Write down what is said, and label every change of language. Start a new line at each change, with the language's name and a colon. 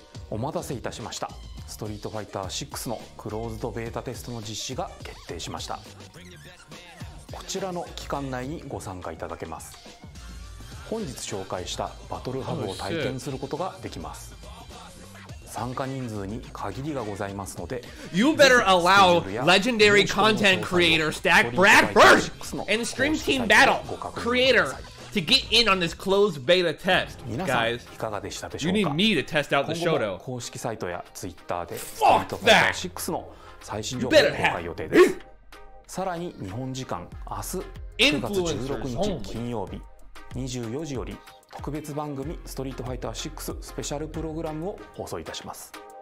Japanese: お待たせいたしました。ストリートファイター6のクローズドベータテストの実施が決定しました。こちらの期間内にご参加いただけます。本日紹介したバトルハブを体験することができます。参加人数に限りがございますので、
English: You better allow legendary content creator Stack Brad Burch and Stream Team Battle creator to get in on this closed beta test. Guys, you need me to test out the Shoto.
Japanese: 公式サイトやツイッターで
English: Fuck that!
Japanese: の最新情報を公開予定です。さらに日本時間明日9月16日金曜日24時より特別番組ストリートファイター6スペシャルプログラムを放送いたします。